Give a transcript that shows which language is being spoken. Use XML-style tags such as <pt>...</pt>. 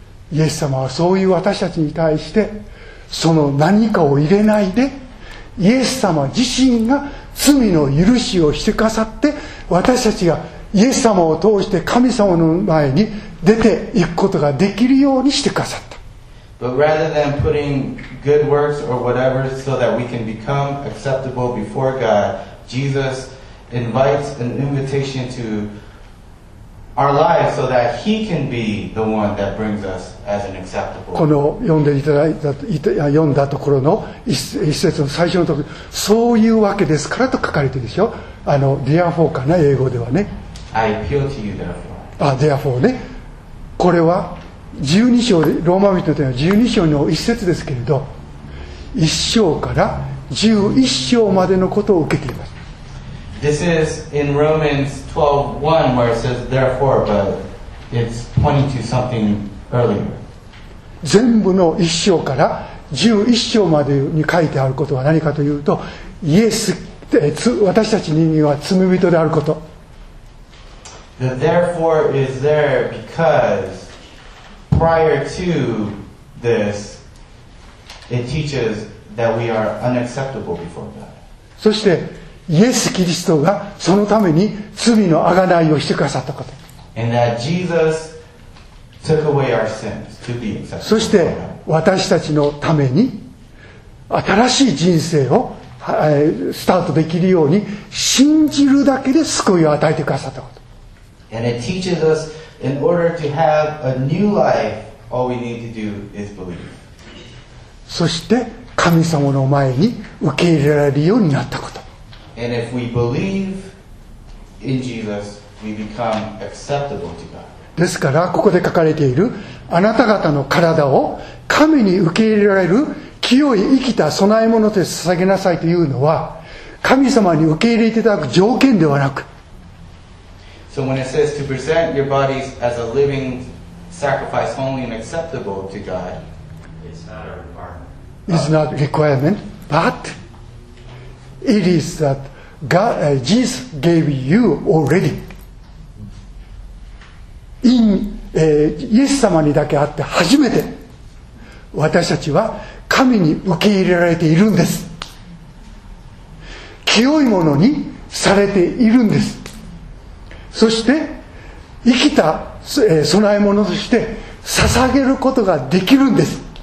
<ja>イエス様はそういう私たちに対して、その何かを入れないで、イエス様自身が罪の許しをしてくださって、私たちがイエス様を通して神様の前に出ていくことができるようにしてくださった。</ja> <en>But rather than putting good works or whatever so that we can become acceptable before God, Jesus invites an invitation to our lives so that he can be the one that brings us as an acceptable.</en> <ja>この読んでいただいた、読んだところの一節の最初のところ、そういうわけですからと書かれてるでしょ。あの、therefore かな、英語ではね。</ja> <en>I appeal to you therefore.</en> <ja>therefore ね。これは十二章で、ローマ人というのは十二章の一節ですけれど、一章から十一章までのことを受けています。</ja> <en>This is in Romans 12:1 where it says therefore, but it's pointing to something earlier.</en> <ja>全部の1章から11章までに書いてあることは何かというと、イエス、私たち人間は罪人であること。</ja> <en>The therefore is there because prior to this it teaches that we are unacceptable before God.</en> <ja>そしてイエス・キリストがそのために罪の贖いをしてくださったこと。</ja> <en>And that Jesus took away our sins to be accepted.</en> <ja>そして私たちのために新しい人生をスタートできるように信じるだけで救いを与えてくださったこと。</ja> <en>And it teaches us in order to have a new life, all we need to do is believe.</en> <ja>そして神様の前に受け入れられるようになったこと。</ja> <en>And if we believe in Jesus, we become acceptable to God.</en> <ja>ですからここで書かれている、あなた方の体を神に受け入れられる清い生きた供え物で捧げなさいというのは、神様に受け入れていただく条件ではなく、</ja> <en>So when it says to present your bodies as a living sacrifice holy and acceptable to God, it's not a requirement. It's not a requirement, but It is that God, Jesus gave you already.</en> <ja>In, イエス様にだけあって初めて私たちは神に受け入れられているんです。清いものにされているんです。そして生きた、供え物として捧げることができるんです。</ja>